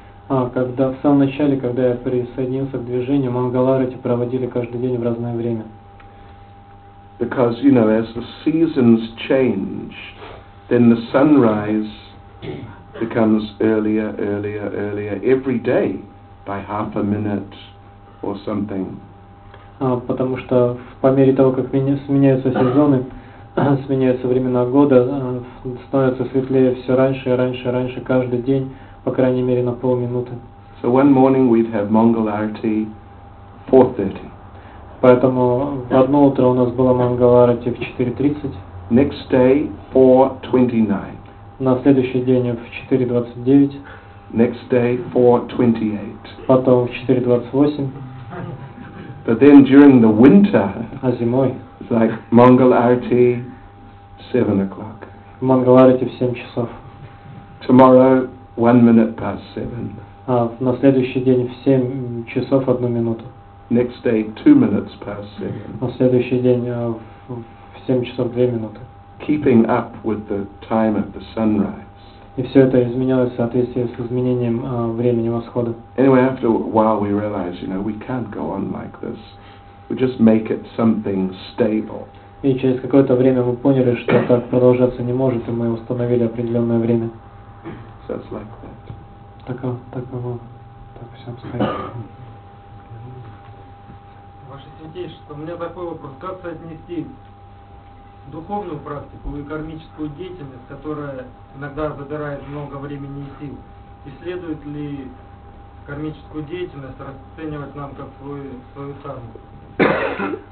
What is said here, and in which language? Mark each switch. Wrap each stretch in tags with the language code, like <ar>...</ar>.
<ru>А когда в самом начале, когда я присоединился к движению, Мангал Арати проводили каждый день в разное время.</ru> <en>Because, you know, as the seasons change, then the sunrise becomes earlier, earlier, earlier, every day, by half a minute or something.</en> <ru>Потому что по мере того, как сменяются сезоны, сменяются времена года, становится светлее все раньше и раньше и раньше, каждый день, по крайней мере, на полминуты.</ru> <en>So one morning we'd have Mangal Arati 4:30.</en> <ru>Поэтому в одно утро у нас было Мангал Арати в 4:30.</ru> <en>Next day 4:29.</en> <ru>На следующий день в 4:29.</ru> <en>Next day 4:28.</en> <ru>Потом в 4:28.</ru> <en>But then during the winter.</en> <ru>А зимой.</ru> <en>It's like Mangal Arati 7:00.</en> <ru>Мангал Арати в 7 часов.</ru> <en>Tomorrow 1:07.</en> <ru>А на следующий день в 7 часов 1 минуту.</ru> <en>Next day, 2:07.</en> <ru>На следующий день в 7 часов 2 минуты.</ru> <en>Keeping up with the time of the sunrise.</en> <ru>И все это изменялось в соответствии с изменением времени восхода.</ru> <en>Anyway, after a while we realize, you know, we can't go on like this. We just make it something stable.</en> <ru>И через какое-то время мы поняли, что так продолжаться не может, и мы установили определенное время.</ru> <en>So it's like that.</en> <ru>Так все обстоит. Что у меня такой вопрос, как соотнести духовную практику и кармическую деятельность, которая иногда забирает много времени и сил, и следует ли кармическую деятельность расценивать нам как свою карму?</ru>